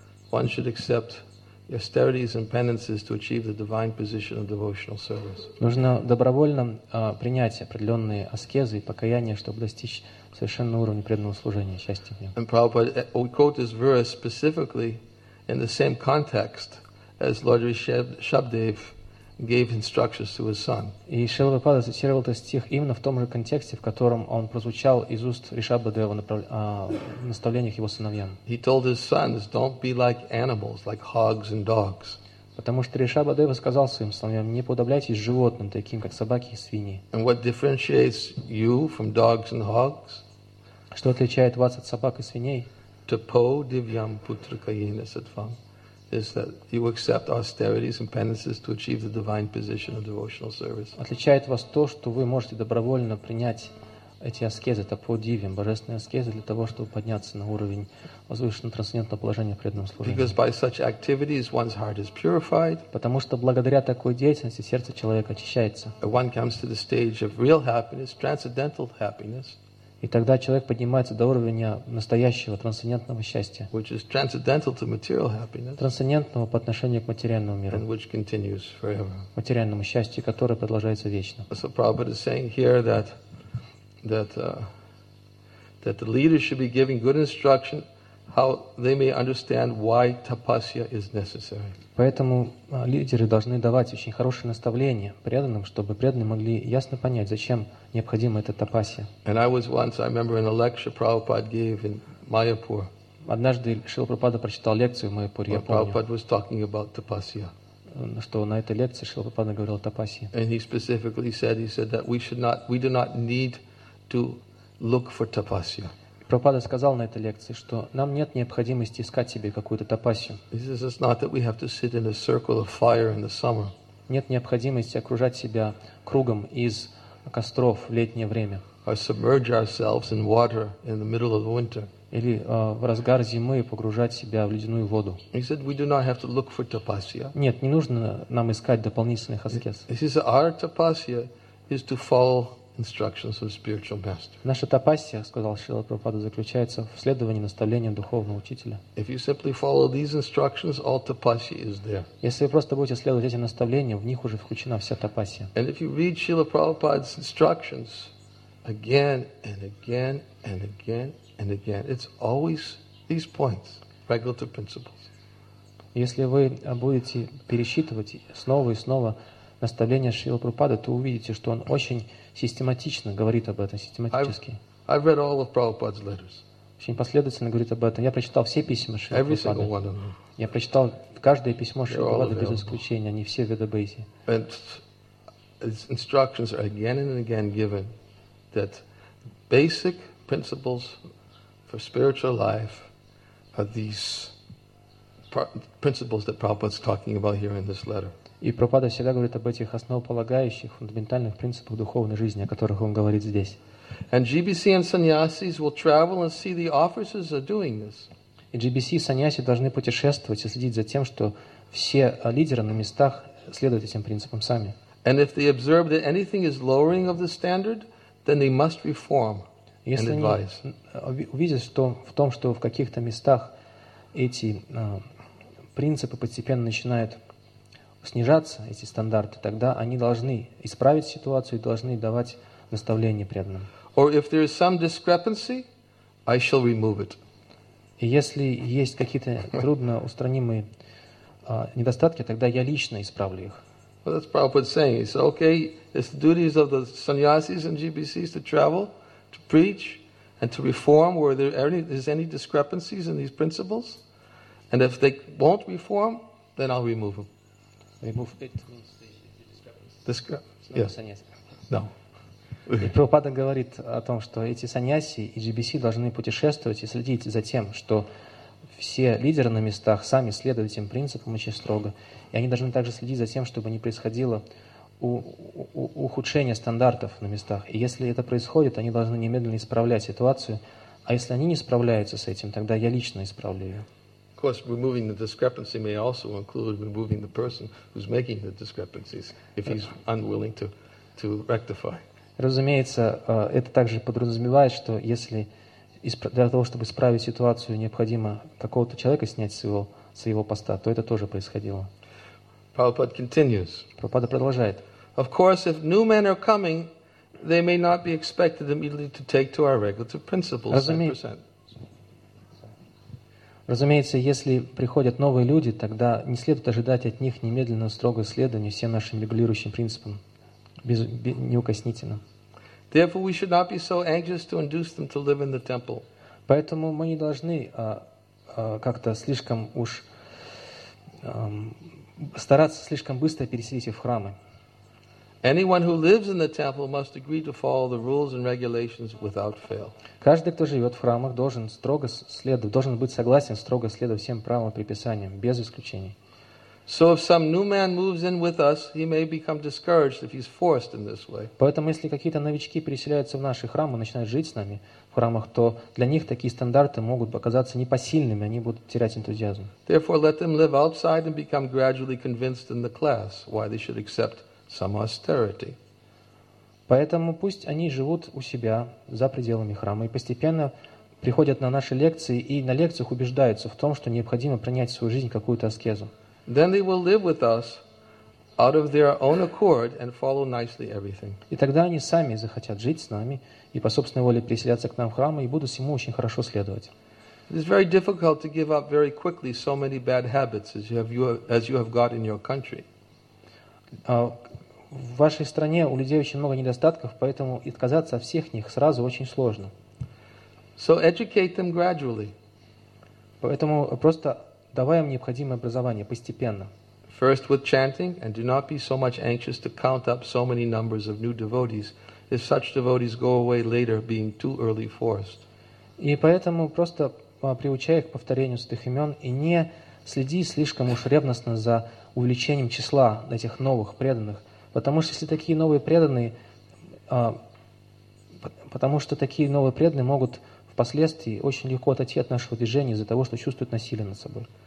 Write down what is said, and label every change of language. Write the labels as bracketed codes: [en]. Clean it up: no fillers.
[en] One should accept austerities and penances to achieve the divine position of devotional service. [ru] Нужно добровольно принять определенные аскезы и покаяния, чтобы достичь совершенного уровня преданного служения, счастья в нем. [en] And Prabhupada, we quote this verse specifically in the same context as Lord Rishabhdev gave instructions to his son. [ru] И Шрила Прабхупада цитировал этот стих именно в том же контексте, в котором он прозвучал из уст Ришабхадева в наставлениях его сыновьям. [en] He told his sons, don't be like animals, like hogs and dogs. [ru] Потому что Ришабхадева сказал своим сыновьям, не подобляйтесь животным, таким как собаки и свиньи. [en] And what differentiates you from dogs and hogs? [ru] Что отличает вас от собак и свиней? [sa] Tupo divyam putraka yena satvam. [en] Is that you accept austerities and penances to achieve the divine position of devotional service. [ru] Отличает вас то, что вы можете добровольно принять эти аскезы, это по дивьям, божественные аскезы, для того, чтобы подняться на уровень возвышенного трансцендентного положения в преданном служении. [en] Because by such activities one's heart is purified. [ru] Потому что благодаря такой деятельности сердце человека очищается. [en] One comes to the stage of real happiness, transcendental happiness. [ru] И тогда человек поднимается до уровня настоящего, трансцендентного счастья, [en] which is transcendental to material happiness, [ru] трансцендентного по отношению к материальному миру, [en] and which continues forever. [ru] Материальному счастью, которое продолжается вечно. [en] So Prabhupada is saying here that the leaders should be giving good instruction how they may understand why tapasya is necessary. [ru] Поэтому лидеры должны давать очень хорошее наставление преданным, чтобы преданные могли ясно понять, зачем необходима эта тапасья. [en] And I was once, I remember, in a lecture Prabhupada gave in Mayapur. [ru] Однажды Шрила Прабхупада прочитал лекцию в Майяпуре, я помню. [en] Prabhupada was talking about tapasya. [ru] Что на этой лекции Шрила Прабхупада говорил о тапасье. [en] And he specifically said, that we do not need to look for tapasya. [ru] Прабхупада сказал на этой лекции, что нам нет необходимости искать себе какую-то тапасью. Нет необходимости окружать себя кругом из костров в летнее время. [en] Or submerge ourselves in water in the middle of winter. [ru] Или в разгар зимы погружать себя в ледяную воду. [en] He said we do not have to look for tapasya. [ru] Нет, не нужно нам искать дополнительных аскез. [en] He says our tapasya is to follow instructions of spiritual master. [ru] Наша тапасья, сказал Шрила Прабхупада, заключается в следовании наставлениям духовного учителя. [en] If you simply follow these instructions, all tapasya is there. [ru] Если вы просто будете следовать этим наставлениям, в них уже включена вся тапасья. [en] And if you read Srila Prabhupada's instructions again and again and again and again, it's always these points, regulative principles. [ru] Если вы будете пересчитывать снова и снова наставления Шрила Прабхупады, то увидите, что он очень систематично говорит об этом, систематически. [en] I've read all of Prabhupada's letters. [ru] Очень последовательно говорит об этом. Я прочитал все письма Шрила Прабхупады. [en] Every single one of them. [ru] Я прочитал каждое письмо Шилбавады без исключения, не все Веда Бейси. [en] Instructions are again and again given that basic principles for spiritual life are these principles that Prabhupada's talking about here in this letter. [ru] И Прабхупада всегда говорит об этих основополагающих, фундаментальных принципах духовной жизни, о которых он говорит здесь. [en] And GBC and sannyasis will travel and see the officers are doing this. [ru] И GBC и sannyasis должны путешествовать и следить за тем, что все лидеры на местах следуют этим принципам сами. [en] And if they observe that anything is lowering of the standard, then they must reform and advise. [ru] Если они увидят, что в том, что в каких-то местах эти принципы постепенно начинают снижаться, эти стандарты, тогда они должны исправить ситуацию и должны давать наставления преданным. [en] Or if there is some discrepancy, I shall remove it. [ru] И если есть какие-то трудноустранимые недостатки, тогда я лично исправлю их. [en] Well, that's Prabhupada saying. He said, okay, it's the duties of the sannyasis and GBCs to travel, to preach, and to reform where there is any discrepancies in these principles. And if they won't reform, then I'll remove them. Remove it means the discrepancy. No. [ru] И Прабхупада говорит о том, что эти саньяси и GBC должны путешествовать и следить за тем, что все лидеры на местах сами следуют этим принципам очень строго. И они должны также следить за тем, чтобы не происходило ухудшение стандартов на местах. И если это происходит, они должны немедленно исправлять ситуацию. А если они не справляются с этим, тогда я лично исправлю ее. [en] Of course, removing the discrepancy may also include removing the person who's making the discrepancies, if he's unwilling to rectify. [ru] Разумеется, это также подразумевает, что если для того, чтобы исправить ситуацию, необходимо какого-то человека снять с его поста, то это тоже происходило. [en] Prabhupada continues. [ru] Прабхупада продолжает. [en] Of course, if new men are coming, they may not be expected immediately to take to our regulative principles 100%. [ru] Разумеется, если приходят новые люди, тогда не следует ожидать от них немедленного строгого следования всем нашим регулирующим принципам неукоснительно. Поэтому мы не должны как-то слишком уж стараться слишком быстро переселить их в храмы. [en] Anyone who lives in the temple must agree to follow the rules and regulations without fail. [ru] Каждый, кто живет в храмах, должен строго следовать, должен быть согласен строго следовать всем правилам приписаниям без исключений. [en] So if some new man moves in with us, he may become discouraged if he's forced in this way. [ru] Поэтому, если какие-то новички переселяются в наши храмы, начинают жить с нами в храмах, то для них такие стандарты могут показаться непосильными, они будут терять энтузиазм. [en] Therefore, let them live outside and become gradually convinced in the class why they should accept some austerity. [ru] Поэтому пусть они живут у себя за пределами храма и постепенно приходят на наши лекции и на лекциях убеждаются в том, что необходимо принять в свою жизнь какую-то аскезу. [en] Then they will live with us out of their own accord and follow nicely everything. [ru] И тогда они сами захотят жить с нами и по собственной воле переселяться к нам в храм и будут всему очень хорошо следовать. [en] It is very difficult to give up very quickly so many bad habits as you have got in your country. [ru] В вашей стране у людей очень много недостатков, поэтому отказаться от всех них сразу очень сложно. [en] So educate them gradually. [ru] Поэтому просто давай им необходимое образование постепенно. [en] First with chanting, and do not be so much anxious to count up so many numbers of new devotees, if such devotees go away later, being too early forced. [ru] И поэтому просто приучай их к повторению святых имен и не следи слишком уж ревностно за увеличением числа этих новых преданных. Потому что если такие новые преданные, могут впоследствии очень легко отойти от нашего движения из-за того, что чувствуют насилие над собой.